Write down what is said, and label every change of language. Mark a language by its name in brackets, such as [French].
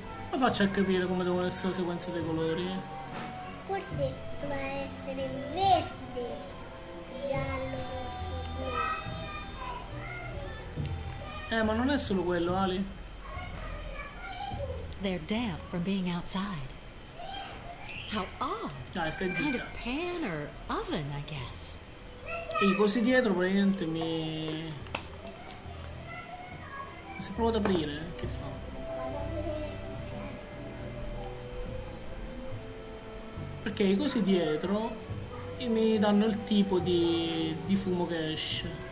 [Italian] Come faccio a capire come devono essere la sequenza dei colori? Forse doveva essere verde, giallo, rosso, blu. Ma non è solo quello, Ali. [English] They're damp from being outside. How odd. [Italian] Dai, stai zitta. [English] Kind of pan or oven, I guess. [Italian] E così dietro praticamente mi... Mi si è provato ad aprire, che fa? Perché i cosi dietro e mi danno il tipo di fumo che esce.